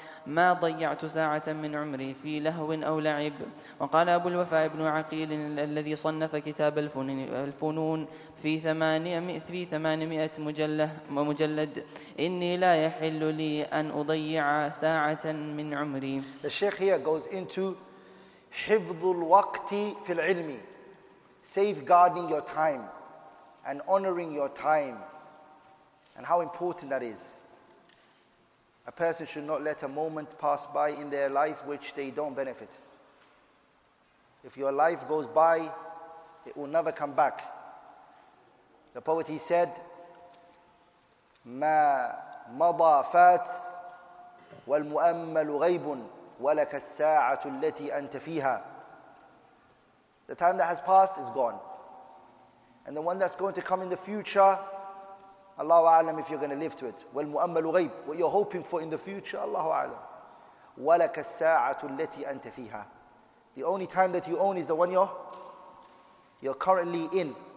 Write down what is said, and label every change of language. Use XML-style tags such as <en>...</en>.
<ar>ما ضيعت ساعة من عمري في لهو أو لعب وقال أبو الوفاء بن عقيل الذي صنف كتاب الفنون في 800 مجلد إني لا يحل لي أن أضيع ساعة من عمري</ar> <en>The Sheikh here goes into</en> <ar>حفظ الوقت في العلم</ar> <en>safeguarding your time and honoring your time and how important that is A person should not let a moment pass by in their life which they don't benefit. If your life goes by, it will never come back. The poet he said,</en> <ar>"ما مضى فات والمؤمل غيب ولك الساعة التي أنت فيها."</ar> <en>The time that has passed is gone, and the one that's going to come in the future. Allahu a'lam if you're going to live to it.</en> <ar>Wal mu'ammalu ghaib.</ar> <en>What you're hoping for in the future, Allahu a'lam.</en> <ar>Walaka as-sa'atu allati anta fiha.</ar> <en>The only time that you own is the one you're currently in.</en>